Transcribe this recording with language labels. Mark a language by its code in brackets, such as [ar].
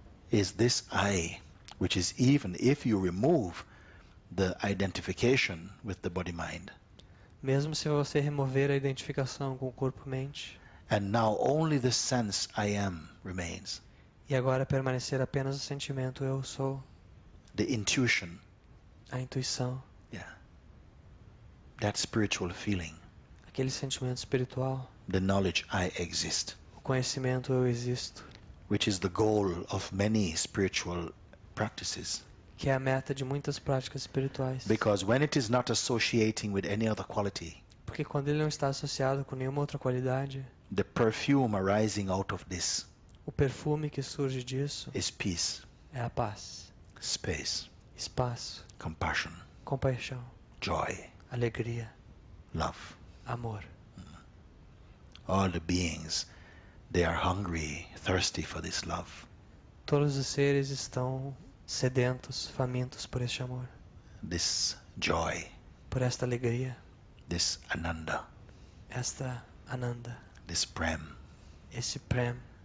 [en] is this I, which is even if you remove the identification with the body mind, [pt] mesmo se você remover a identificação com o corpo mente, [en] and now only the sense I am remains, [pt] e agora permanecer apenas o sentimento eu sou, [en] the intuition, [pt] a intuição, [en] yeah, that spiritual feeling, [pt] aquele sentimento espiritual, [en] the knowledge I exist, [pt] o conhecimento eu existo, [en] which is the goal of many spiritual practices, [pt] que é a meta de muitas práticas espirituais, [en] because when it is not associating with any other quality, [pt] porque quando ele não está associado com nenhuma outra qualidade, [en] the perfume arising out of this, [pt] o perfume que surge disso, [en] is peace, [pt] é a paz, [en] space, [pt] espaço, [en] compassion, [pt] compaixão, [en] joy, [pt] alegria, [en] love, [pt] amor. [en] All the beings, they are hungry, thirsty for this love. [pt] Todos os seres estão sedentos, famintos por este amor. [en] This joy. [pt] Por esta alegria. [en] This ananda. [pt] Esta ananda. [en] This prem. [pt] Esse prem.